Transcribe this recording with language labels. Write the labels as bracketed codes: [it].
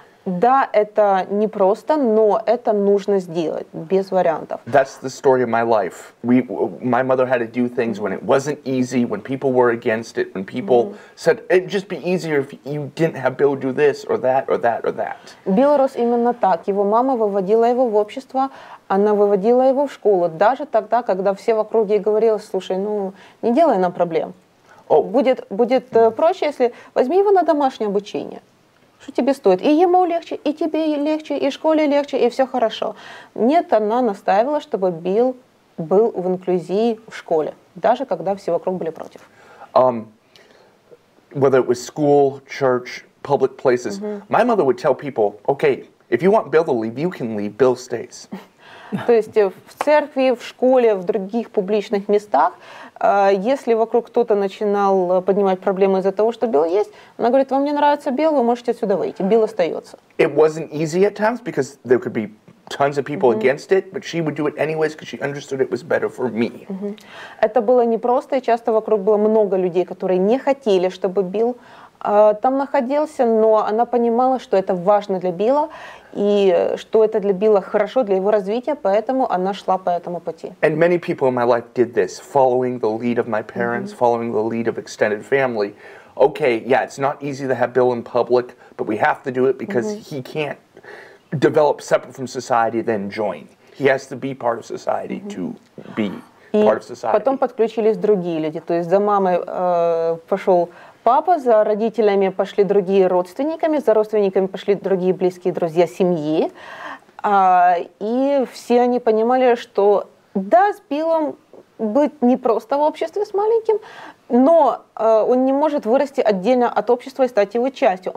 [ru] Да, это непросто, но это нужно сделать, без вариантов. [en] That's the story of my life. My mother had to do things when it wasn't easy, when people were against it, when people mm-hmm. said, it'd just be easier if you didn't have Bill do this, or that, or that, or that. [ru] Билл рос именно так. Его мама выводила его в общество, она выводила его в школу, даже тогда, когда все в округе говорили, слушай, ну, не делай нам проблем. Oh. Будет проще, если возьми его на домашнее обучение. Что тебе стоит? И ему легче, и тебе легче, и школе легче, и все хорошо. Нет, она настаивала, чтобы Билл был в инклюзии в школе, даже когда все вокруг были против. [en] Whether it was school, church, public places, mm-hmm. my mother would tell people, okay, if you want Bill to leave, you can leave, Bill stays. [ru] То есть в церкви, в школе, в других публичных местах, если вокруг кто-то начинал поднимать проблемы из-за того, что Билл есть, она говорит, вам не нравится Билл, вы можете отсюда выйти, Билл остается. [en] It wasn't easy at times because there could be tons of people mm-hmm. against it, but she would do it anyways because she understood it was better for me. Mm-hmm. [ru] Это было непросто, и часто вокруг было много людей, которые не хотели, чтобы Билл там находился, но она понимала, что это важно для Билла, и что это для Билла хорошо для его развития, поэтому она шла по этому пути. [en] And many people in my life did this, following the lead of my parents, mm-hmm. following the lead of extended family. Okay, yeah, it's not easy to have Bill in public, but we have to do it because mm-hmm. he can't develop separate from society, then join. He has to be part of society mm-hmm. to be [ru] и [en] part of society. [ru] Потом подключились другие люди, то есть за мамой пошел папа, за родителями пошли другие родственниками, за родственниками пошли другие близкие друзья семьи, и все они понимали, что да, с Биллом быть непросто в обществе с маленьким, но он не может вырасти отдельно от общества и стать его частью.